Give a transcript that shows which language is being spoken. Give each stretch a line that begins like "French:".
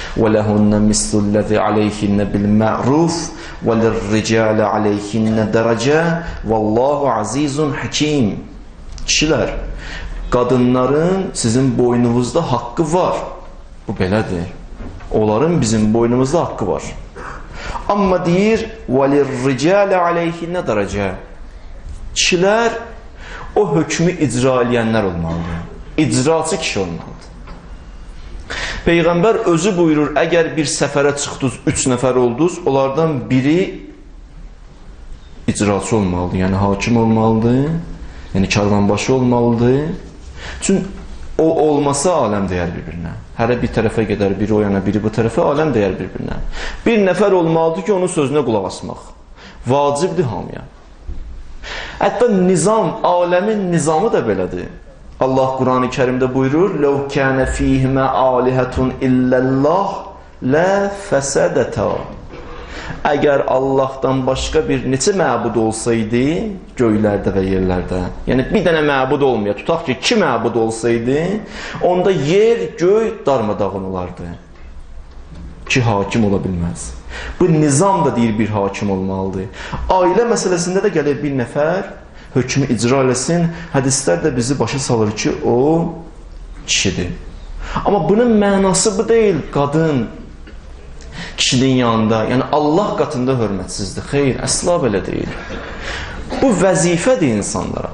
Arabic: وَلَهُنَّ مِثْلُ الَّذِي عَلَيْهِنَّ بِالْمَعْرُوفِ وَلِلرِّجَالِ عَلَيْهِنَّ دَرَجَةِ وَاللَّهُ عَزِيزٌ حَكِيمٌ.
Azerbaijani: Kişilər, qadınların sizin boynunuzda haqqı var. Bu belədir. Onların bizim boynumuzda haqqı var. Amma deyir
Arabic: وَلِلرِّجَالِ عَلَيْهِنَّ دَرَجَةِ.
Azerbaijani: Kişilər o hökmü icra edənlər olmalıdır. İcraçı kişi olmalıdır. Peyğəmbər özü buyurur, əgər bir səfərə çıxdınız, üç nəfər oldunuz, onlardan biri icraçı olmalıdır. Yəni hakim olmalıdır, yəni karvanbaşı olmalıdır. Çünki o olmasa aləm dəyər bir-birinə. Hərə bir tərəfə gedər, biri o yana, biri bu tərəfə, aləm dəyər bir-birinə. Bir nəfər olmalıdır ki, onun sözünə qulaq asmaq. Vacibdir hamıya. Hətta nizam, aləmin nizamı da belədir. Allah Qur'an-ı Kerimdə buyurur,
Arabic: لَوْ كَانَ ف۪يهِمَا عَالِهَةٌ اِلَّا اللّٰهِ لَا فَسَدَتَا.
Azerbaijani: Əgər Allahdan başqa bir neçə məbud olsaydı göylərdə və yerlərdə, yəni bir dənə məbud olmaya, tutaq ki, iki məbud olsaydı, onda yer, göy darmadağın olardı. Ki hakim ola bilməz. Bu nizam da deyir bir hakim olmalıdır. Ailə məsələsində də gəlir bir nəfər, hökmü icra eləsin, hədislər də bizi başa salır ki, o kişidir. Amma bunun mənası bu deyil, qadın kişinin yanında, yəni Allah qatında hörmətsizdir. Xeyr, əsla belə deyil. Bu vəzifədir insanlara.